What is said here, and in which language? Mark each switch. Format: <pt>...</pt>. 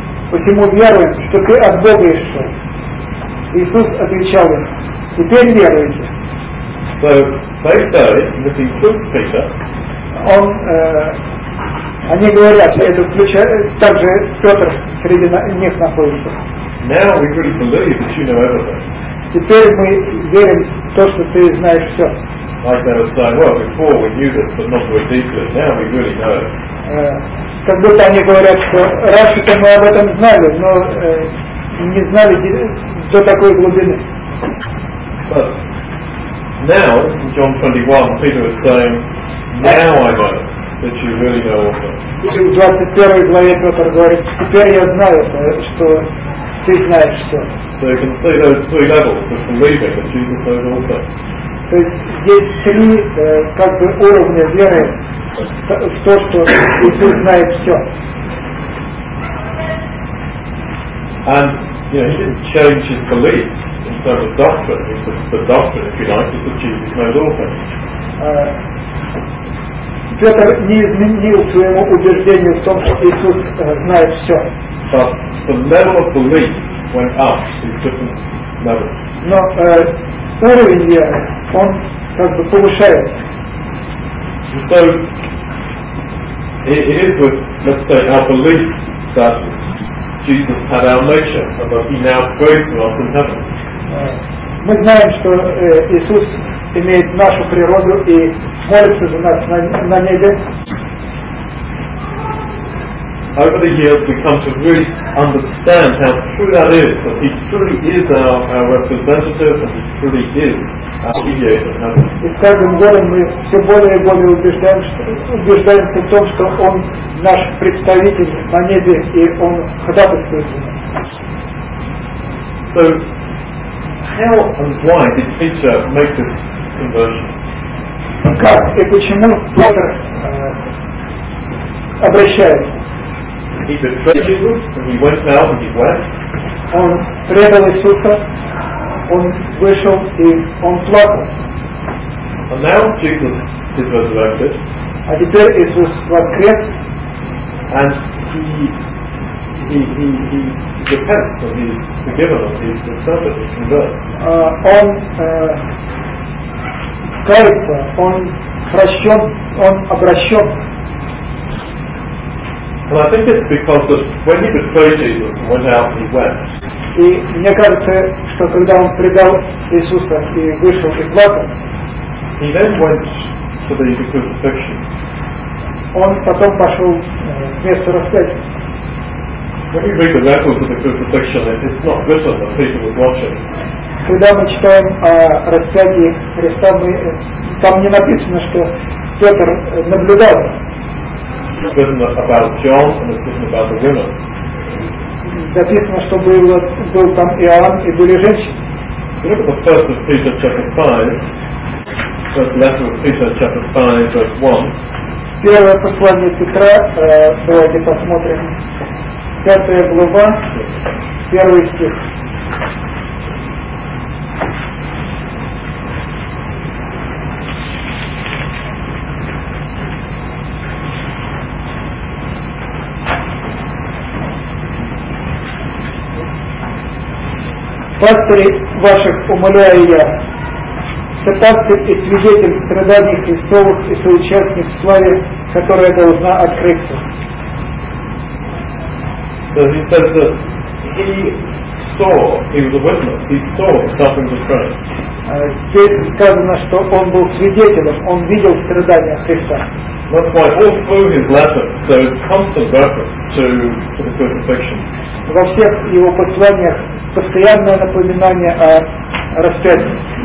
<ru>Посему веруем, что ты от Бога исшел. Иисус отвечал им, теперь веруйте.</ru> <en>So, Peter, this includes Peter.</en> <ru>Они говорят, это включает, также Петр среди них находится.</ru> <en>Now we really believe that you know everything.</en> <ru>Теперь мы верим в то, что ты знаешь все.</ru> <en>Like they were saying, well, before we knew this, but not very deeply. Now we really know it.</en> <ru>Как будто они говорят, что раньше-то мы об этом знали, но не знали до такой глубины.</ru> <en>But now, in John 21, Peter is saying, now I know that you really know all things.</en> <ru>И в 21 главе Петр говорит, теперь я знаю, что ты знаешь все.</ru> <en>So you can see those three levels of believing that Jesus knows all things.</en> <ru>То есть есть три как бы уровня веры в то, что Иисус знает все.</ru> <en>And you know, he didn't change his beliefs in terms of doctrine. The doctrine, if you like, is that Jesus knows all things.</en> <ru>Петр не изменил своему убеждению в том, что Иисус знает все.</ru> <en>But the level of belief went up is different levels.</en> <ru>Но уровень веры, он как бы повышает.</ru> <en>So it is with, let's say, our belief that Jesus had our nature and that he now goes to us in heaven.</en> <ru>Мы знаем, что Иисус имеет нашу природу и молится за нас на небе.</ru> <en>Over the years we come to really understand how true that is, that he truly is our representative and he truly is our mediator.</en> <ru>И с каждым годом мы все более и более убеждаемся в том, что он наш представитель на небе и он ходатайствует за нас.</ru> <en>So how and why did Peter make this conversion?</en> <ru>Как и почему Петр обращается?</ru> <en>He betrayed Jesus, and he went out and he wept.</en> <ru>Он предал Иисуса, он вышел и он плакал.</ru> <en>And now Jesus is resurrected.</en> <ru>А теперь Иисус воскрес.</ru> <en>And he repents and he is forgiven and he is accepted and converts.</en> <ru>Он кается, он прощен, он обращен.</ru> <en>And I think it's because that when he betrayed Jesus and went out, he wept.</en> <ru>И мне кажется, что когда он предал Иисуса и вышел и плакал,</ru> <en>he then went to the crucifixion.</en> <ru>Он потом пошел в место распятия.</ru> <en>When you read the records of the crucifixion, it's not written that Peter was watching.</en> <ru>Когда мы читаем о распятии Христа, там не написано, что Петр наблюдал.</ru> <en>It's written about John and it's written about the women.</en> <ru>Написано, что было, был там Иоанн и были женщины.</ru> <en>Look at the first of Peter chapter 5, first letter of Peter chapter 5, verse 1.</en> <ru>Первое послание Петра, давайте посмотрим, 5 глава, 1 стих. Пастырей ваших умоляю я, все пастырь и свидетель страданий Христовых и соучастник в славе, которая должна открыться.</ru> <en>So he says that he saw, he was a witness, he saw the suffering of Christ.</en> <ru>Здесь сказано, что он был свидетелем, он видел страдания Христа.</ru> <en>That's why all through his letters, so constant reference to the crucifixion.</en> <ru>Во всех его посланиях постоянное напоминание о распятии.</ru>